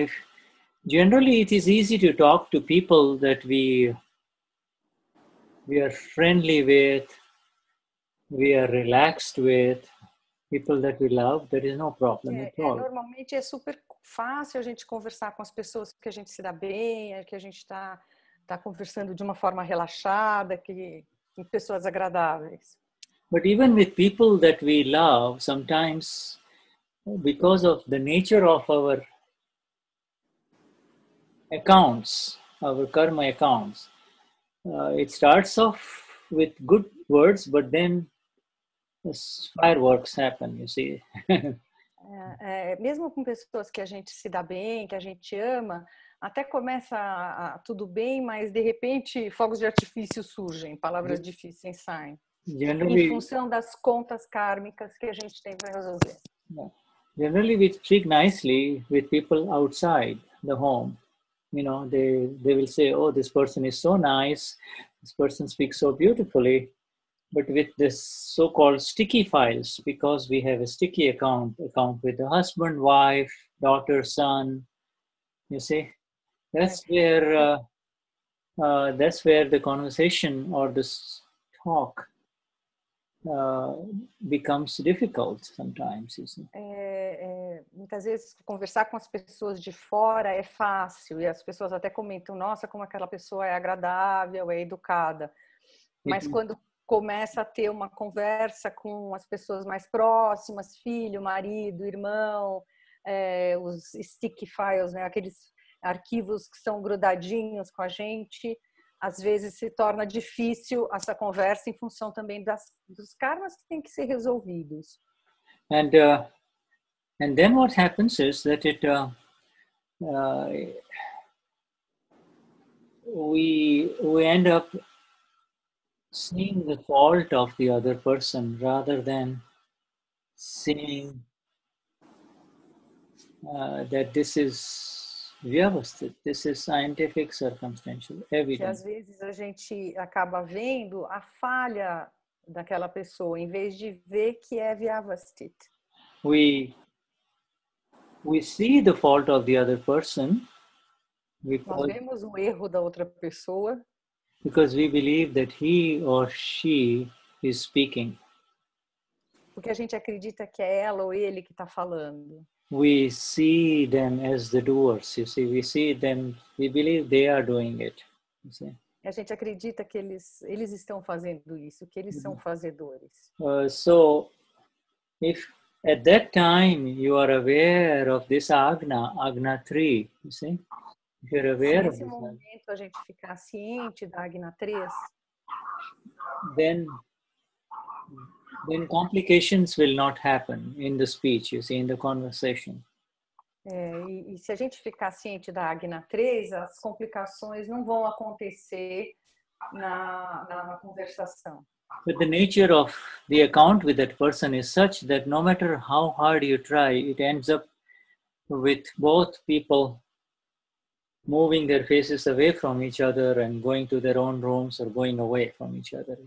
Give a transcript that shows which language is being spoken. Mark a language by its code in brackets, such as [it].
[en] If generally it is easy to talk to people that we are friendly with, we are relaxed with, people that we love, there is no problem at all. [pt] Normalmente é super fácil a gente conversar com as pessoas que a gente se dá bem, que a gente tá conversando de uma forma relaxada, que com pessoas agradáveis. [en] But even with people that we love, sometimes because of the nature of our accounts, our karma accounts, it starts off with good words, but then fireworks happen, you see. [pt] Mesmo com pessoas que a gente se dá bem, que a gente ama, até começa tudo bem, mas de repente fogos de artifício surgem, palavras difíceis saem. [en] Generally, [pt] em função das contas kármicas que a gente tem para resolver. [en] Generally, we speak nicely with people outside the home. You know, they will say, oh, this person is so nice. This person speaks so beautifully, but with this so-called sticky files, because we have a sticky account with the husband, wife, daughter, son, you see, that's where the conversation or this talk becomes difficult sometimes, you see. [pt] Muitas vezes conversar com as pessoas de fora é fácil, e as pessoas até comentam, nossa, como aquela pessoa é agradável, é educada. Mas quando começa a ter uma conversa com as pessoas mais próximas, filho, marido, irmão, os sticky files, né, aqueles arquivos que são grudadinhos com a gente, às vezes se torna difícil essa conversa em função também dos karmas que têm que ser resolvidos. [en] And then what happens is that we end up seeing the fault of the other person rather than seeing that this is vyavastit, this is scientific circumstantial evidence. [pt] Que às vezes a gente acaba vendo a falha daquela pessoa em vez de ver que é vyavastit. [en] We see the fault of the other person. [pt] Nós vemos o erro da outra pessoa. [en] Because we believe that he or she is speaking. [pt] Porque a gente acredita que é ela ou ele que está falando. [en] We see them as the doers, you see. We see them, we believe they are doing it. You see? [pt] A gente acredita que eles estão fazendo isso, que eles são fazedores. [en] At that time, you are aware of this Agna 3, you see? If you're aware of this [pt] momento, a gente ficar ciente da Agna 3, [en] then complications will not happen in the speech, you see, in the conversation. [pt] E se a gente ficar ciente da Agna 3, as complicações não vão acontecer na conversação. [en] But the nature of the account with that person is such that no matter how hard you try, it ends up with both people moving their faces away from each other and going to their own rooms or going away from each other.